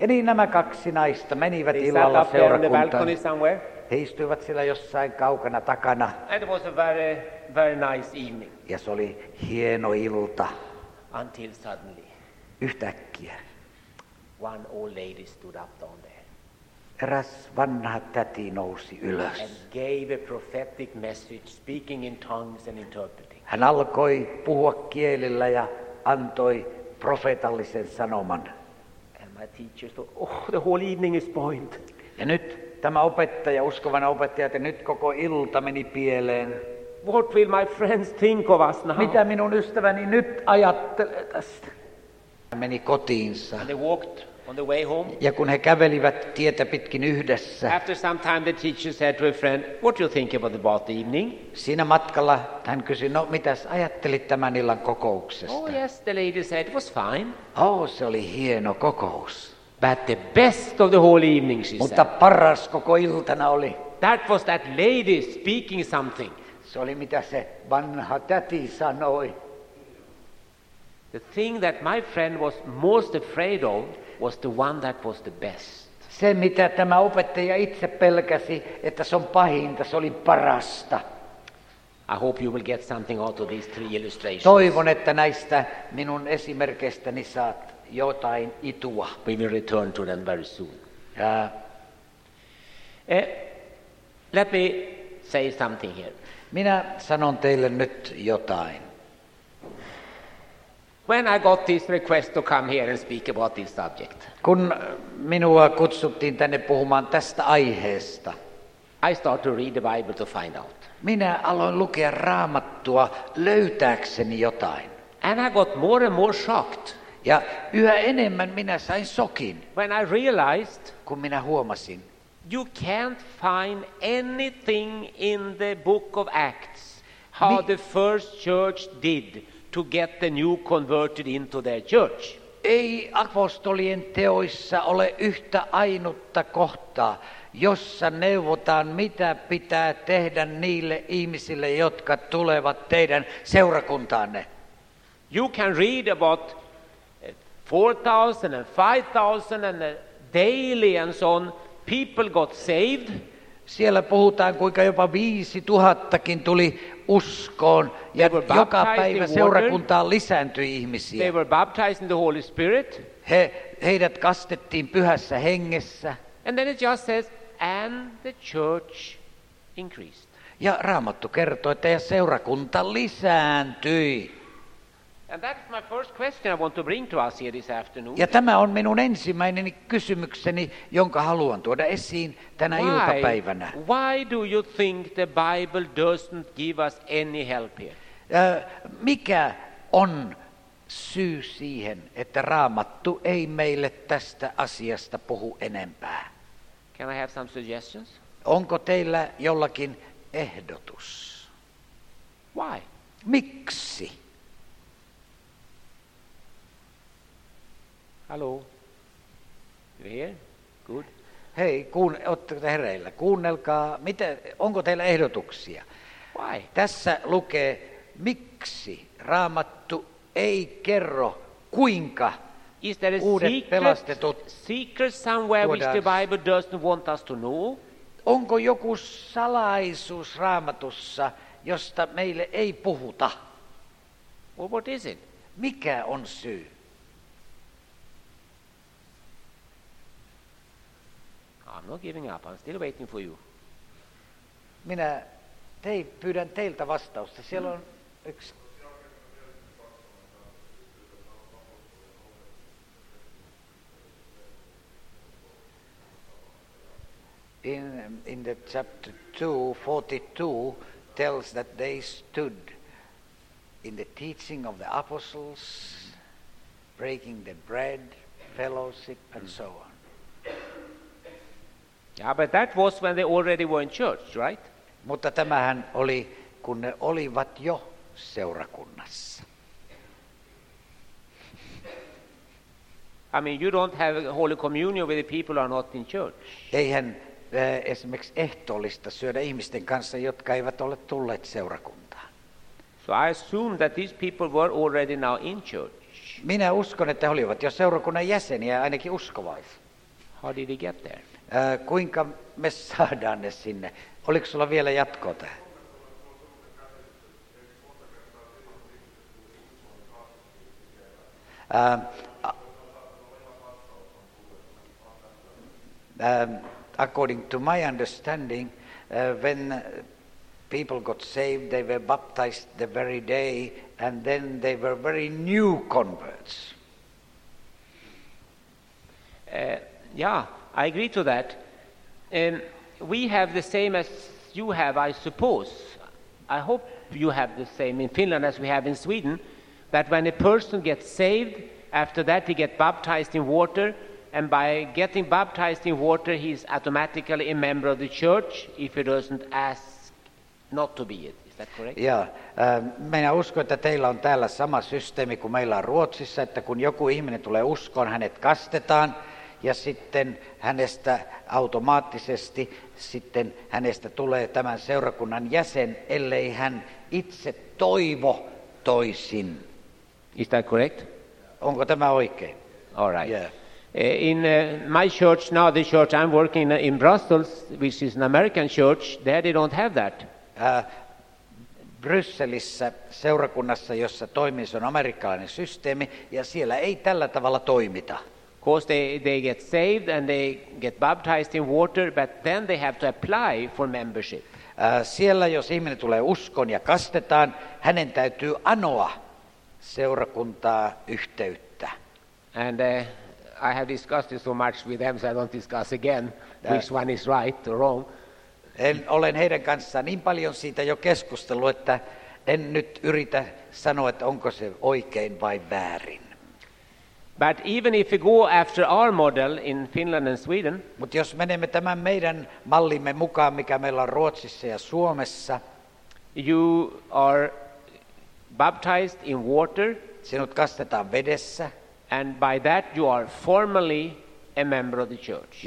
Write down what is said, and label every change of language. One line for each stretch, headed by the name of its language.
Finnish: Ja niin nämä kaksi naista menivät
English: they
Finnish: illalla seurakuntaan.
English: The
Finnish: he istuivat siellä jossain kaukana takana.
English: And it was a very, very nice evening.
Finnish: Ja se oli hieno ilta.
English: Until suddenly.
Finnish: Yhtäkkiä.
English: One old lady stood up down there.
Finnish: Eräs vanha täti nousi ylös.
English: And gave a prophetic message, speaking in tongues and interpreting.
Finnish: Hän alkoi puhua kielillä ja antoi profeetallisen sanoman.
English: And my teacher thought, the whole evening is spoiled.
Finnish: Ja nyt tämä opettaja, uskovana opettaja, että nyt koko ilta meni pieleen.
English: What will my friends think of us now?
Finnish: Mitä minun ystäväni nyt ajattelee tästä? Hän meni kotiinsa.
English: And they walked on the way home.
Finnish: Ja kun he kävelivät tietä pitkin yhdessä.
English: After some time the teacher said to a friend, what do you think about the evening?
Finnish: Siinä matkalla hän kysyi, no mitäs ajattelit tämän illan kokouksesta?
English: Oh yes, the lady said it was fine.
Finnish: Oh, se oli hieno kokous.
English: But the best of the whole evening, she
Finnish: mutta
English: said.
Finnish: Paras koko iltana oli.
English: That was that lady speaking something.
Finnish: Se oli mitä se vanha täti sanoi.
English: The thing that my friend was most afraid of was the one that was the best.
Finnish: Se mitä tämä opettaja itse pelkäsi, että se on pahinta, se oli parasta.
English: I hope you will get something out of these three illustrations.
Finnish: Toivon, että näistä minun esimerkkeistäni saat jotain itua.
English: We will return to them very soon. Let me say something here.
Finnish: Minä sanon teille nyt jotain.
English: When I got this request to come here and speak about this subject.
Finnish: Kun minua kutsuttiin tänne puhumaan tästä aiheesta.
English: I started to read the Bible to find out.
Finnish: Minä aloin lukea Raamattua löytääkseni jotain.
English: And I got more and more shocked.
Finnish: Ja yhä enemmän minä sain sokin.
English: When I realized.
Finnish: Kun minä huomasin.
English: You can't find anything in the book of Acts how the first church did to get the new converted into their church.
Finnish: Ei apostolien teoissa ole yhtä ainutta kohtaa, jossa neuvotaan, mitä pitää tehdä niille ihmisille, jotka tulevat teidän seurakuntaanne.
English: You can read about 4,000 and 5,000 and daily and so on. People got saved.
Finnish: Siellä puhutaan, kuinka jopa 5,000kin tuli uskoon, ja joka päivä seurakuntaan lisääntyi ihmisiä.
English: They were baptized in the Holy Spirit.
Finnish: Heidät kastettiin pyhässä hengessä.
English: And then it just says, and the church increased.
Finnish: Ja Raamattu kertoo, että ja seurakunta lisääntyi.
English: And that's my first question I want to bring to us here this afternoon.
Finnish: Ja tämä on minun ensimmäinen kysymykseni, jonka haluan tuoda esiin tänä iltapäivänä.
English: Why do you think the Bible doesn't give us any help here?
Finnish: Mikä on syy siihen, että Raamattu ei meille tästä asiasta puhu enempää?
English: Can I have some suggestions?
Finnish: Onko teillä jollakin ehdotus?
English: Why?
Finnish: Miksi?
English: Hello. You here? Good.
Finnish: Hei, ootte hereillä. Kuunnelkaa, onko teillä ehdotuksia?
English: Why?
Finnish: Tässä lukee, miksi Raamattu ei kerro, kuinka uudet pelastetut.
English: Secret somewhere which the Bible doesn't want us to know?
Finnish: Onko joku salaisuus Raamatussa, josta meille ei puhuta?
English: Well, what is it?
Finnish: Mikä on syy?
English: I'm not giving up. I'm still waiting for you.
Finnish: Minä pyydän teiltä vastausta. Siellä on yksi.
English: In the chapter 2:42 tells that they stood in the teaching of the apostles, breaking the bread, fellowship, and so on. Yeah, but that was when they already were in church, right?
Finnish: Mutta tämähän oli, kun ne olivat jo seurakunnassa.
English: I mean, you don't have a holy communion with the people who are not in church.
Finnish: Eihän esimerkiksi ehtoollista syödä ihmisten kanssa, jotka eivät ole tulleet seurakuntaan.
English: So I assume that these people were already now in church.
Finnish: Minä uskon, että he olivat jo seurakunnan jäseniä, ainakin uskovaisia.
English: How did he get there?
Finnish: Kuinka me saadaan ne sinne? Oliko sulla vielä jatkoa tähän?
English: According to my understanding, when people got saved, they were baptized the very day, and then they were very new converts. Yeah, I agree to that. We have the same as you have, I suppose. I hope you have the same in Finland as we have in Sweden, that when a person gets saved, after that he gets baptized in water, and by getting baptized in water, he is automatically a member of the church if he doesn't ask not to be it. Is that correct? Yeah.
Finnish: Minä uskon, että teillä on täällä sama systeemi kuin meillä on Ruotsissa, että kun joku ihminen tulee uskoon, hänet kastetaan, ja sitten hänestä automaattisesti sitten hänestä tulee tämän seurakunnan jäsen, ellei hän itse toivo toisin.
English: Is that correct?
Finnish: Onko tämä oikein?
English: All right. Yeah. In my church now, the church I'm working in Brussels, which is an American church, there they don't have that.
Finnish: Brysselissä seurakunnassa, jossa toimii, se on amerikkalainen systeemi, ja siellä ei tällä tavalla toimita.
English: Of course they get saved and they get baptized in water, but then they have to apply for membership.
Finnish: Siellä jos ihminen tulee uskoon ja kastetaan, hänen täytyy anoa seurakuntaa yhteyttä.
English: And I have discussed it so much with them, so I don't discuss again which one is right or wrong.
Finnish: En olen heidän kanssaan niin paljon siitä jo keskustellut, että en nyt yritä sanoa, että onko se oikein vai väärin.
English: But even if we go after our model in Finland and Sweden,
Finnish: mutta jos menemme tämän meidän mallimme mukaan, mikä meillä on Ruotsissa ja Suomessa,
English: You are baptized in water.
Finnish: Sinut kastetaan vedessä.
English: And by that you are formally a member of the church.